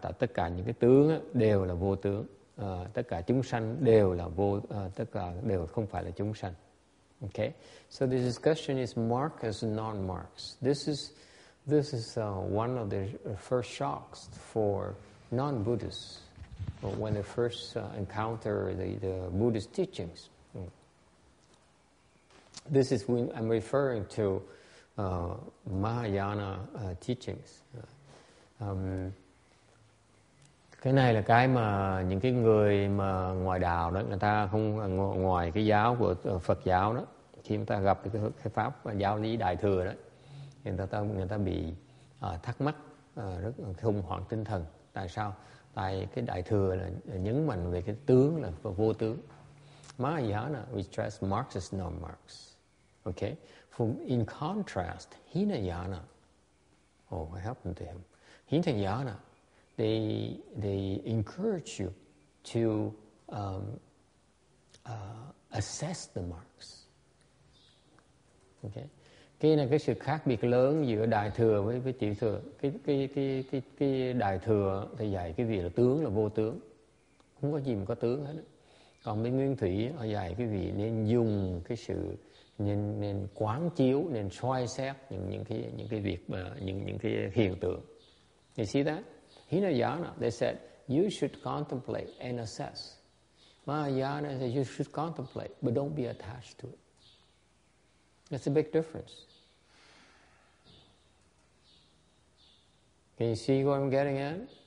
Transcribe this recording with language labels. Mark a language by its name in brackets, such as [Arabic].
[Vietnamese] Tại tất cả những cái tướng đều là vô tướng, tất cả chúng sanh đều là vô, tất cả đều không phải là chúng sanh. [English] Okay. So the discussion is mark as non-marks. This is one of the first shocks for non-Buddhists when they first encounter the Buddhist teachings. This is when I'm referring to Mahayana teachings. [Vietnamese] Cái này là cái mà những cái người mà ngoài đạo đó, người ta không ngoài cái giáo của Phật giáo đó, khi người ta gặp cái pháp giáo lý đại thừa đó, người ta bị thắc mắc, rất khủng hoảng tinh thần. Tại sao? Tại cái đại thừa là nhấn mạnh về cái tướng là vô tướng. [English] Mahayana, we stress marks as non-marks. Okay? In contrast, Hinayana, oh, what happened to him? Hinayana, they encourage you to assess the marks. Okay? [Vietnamese] cái này cái sự khác biệt lớn giữa đại thừa với tiểu thừa. Cái đại thừa thì dạy cái vị là tướng, là vô tướng, không có gì mà có tướng hết. Còn bên nguyên thủy họ dạy cái vị nên dùng cái sự nên quán chiếu, nên soi xét những cái việc, những cái hiện tượng. [English] You see that? Hinayana, they said you should contemplate and assess. Mahayana says you should contemplate, but don't be attached to it. That's a big difference. Can you see what I'm getting at?